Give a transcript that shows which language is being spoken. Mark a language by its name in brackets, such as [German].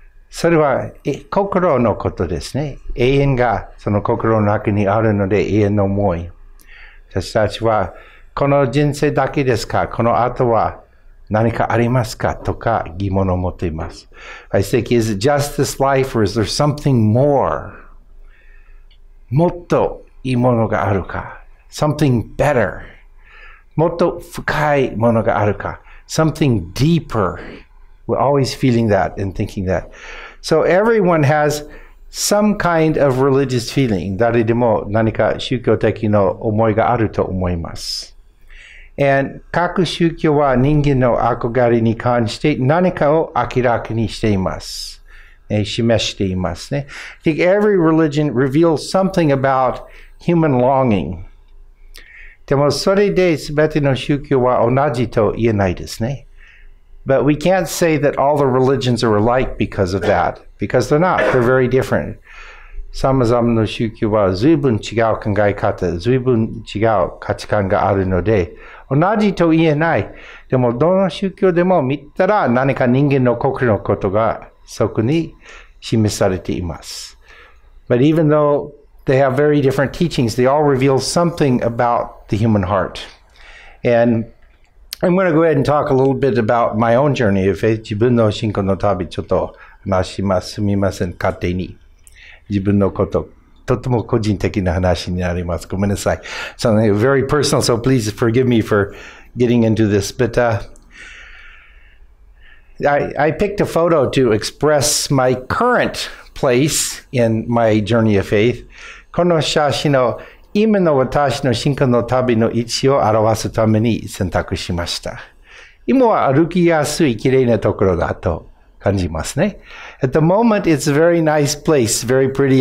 [Japanese] それは心のことですね。永遠がその心の中にあるので永遠の思い。私たちはこの人生だけですか?この後は何かありますか? とか疑問を持っています。 [English] I think, is it just this life or is there something more? [Japanese] もっといいものがあるか? [English] Something better? [Japanese] もっと深いものがあるか? [English] Something deeper? We're always feeling that and thinking that. So everyone has some kind of religious feeling. [Japanese] 誰でも何か宗教的な思いがあると思います。 And 各宗教は人間の憧れに関して何かを明らかにしています。示していますね。 [English] I think every religion reveals something about human longing. [Japanese] でもそれで全ての宗教は同じと言えないですね。 [English] But we can't say that all the religions are alike because of that, because they're not. They're very different. [Japanese] さまざまな宗教は随分違う考え方、随分違う価値観があるので、同じと言えない。でもどの宗教でも見たら何か人間の心のことがそこに示されています。 [English] But even though they have very different teachings, they all reveal something about the human heart. And I'm going to go ahead and talk a little bit about my own journey. [Japanese] 自分の信仰の旅ちょっと話します。すみません、勝手に。自分のこと、とても個人的な話になります。ごめんなさい。 [English] Something very personal, so please forgive me for getting into this. But I picked a photo to express my current place in my journey of faith. [Japanese] この写真を今の私の信仰の旅の位置を表すために選択しました。今は歩きやすい綺麗なところだと。感じますね。 [English] At the moment, it's a very nice place, very pretty.